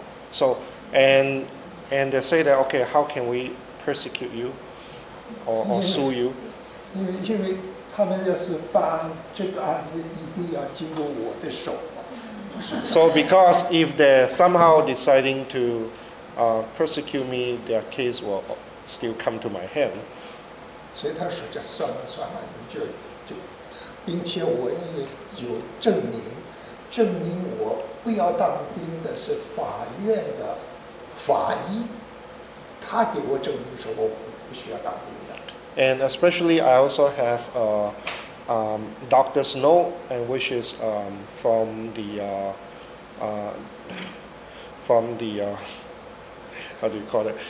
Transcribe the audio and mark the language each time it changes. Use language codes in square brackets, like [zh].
[en] So, and they say that okay, how can we persecute you or sue you? [zh] 因为他们要是办这个案子，一定要经过我的手。 [en] So because if they're somehow deciding to persecute me, their case will still come to my hand. [zh] 所以他说就算了算了，你就，并且我也有证明。证明我不要当兵的是法院的法医，他给我证明说我不需要当兵的。 [en] And especially, I also have a doctor's note, and which is from the how do you call it?